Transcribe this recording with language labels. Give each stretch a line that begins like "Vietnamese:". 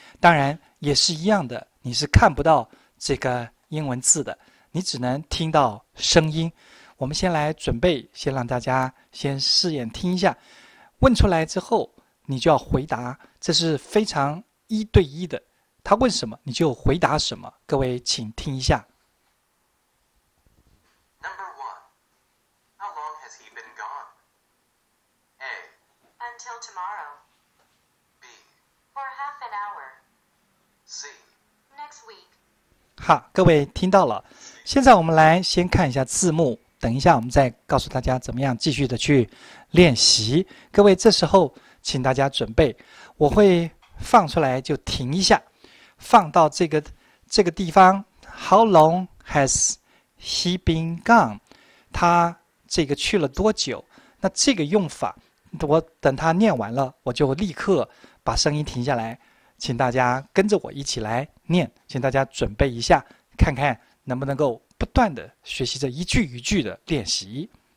Chinese: 当然也是一样的，你是看不到这个英文字的，你只能听到声音。我们先来准备，先让大家先试验听一下。问出来之后，你就要回答，这是非常一对一的，他问什么，你就回答什么。各位，请听一下。
English: Number one, how long has he been gone? A. Until tomorrow. B. For half an hour. C. Next week.
Chinese: 好，各位听到了。现在我们来先看一下字幕，等一下我们再告诉大家怎么样继续的去练习。各位，这时候请大家准备，我会放出来就停一下，放到这个地方。
English: How long has he been gone?
Chinese: 他这个去了多久？那这个用法，我等他念完了，我就立刻把声音停下来，请大家跟着我一起来念，请大家准备一下，看看能不能够不断的学习这一句一句的练习。